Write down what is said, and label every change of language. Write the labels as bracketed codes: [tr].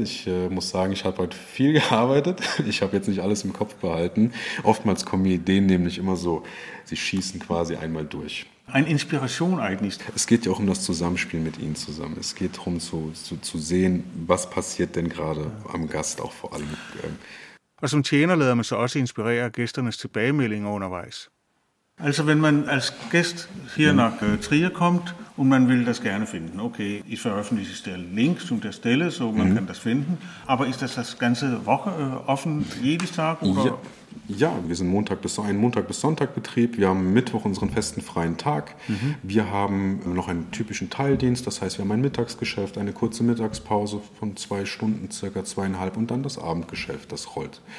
[de] Ich muss sagen, ich habe heute viel gearbeitet. Ich habe jetzt nicht alles im Kopf behalten. Oftmals kommen die Ideen nämlich immer so, sie schießen quasi einmal durch. Eine Inspiration eigentlich. Es geht ja auch um das Zusammenspiel mit Ihnen zusammen. Es geht darum zu sehen, was passiert denn gerade am Gast auch vor allem. Und [da] som tjener lader man sig også inspirere gæsternes tilbagemeldinger undervejs. [de] Altså, wenn man als Gast hier nach Trier kommt und man will das gerne finden, okay, ich veröffentliche den Link zu der Stelle, so man kann das finden, aber ist das ganze Woche offen, jeden Tag? Oder? Ja, wir sind Montag bis Sonntag Betrieb, wir haben Mittwoch unseren festen freien Tag, wir haben noch einen typischen Teildienst, das heißt, wir haben ein Mittagsgeschäft, eine kurze Mittagspause von 2 Stunden, circa 2,5 und dann das Abendgeschäft, das rollt.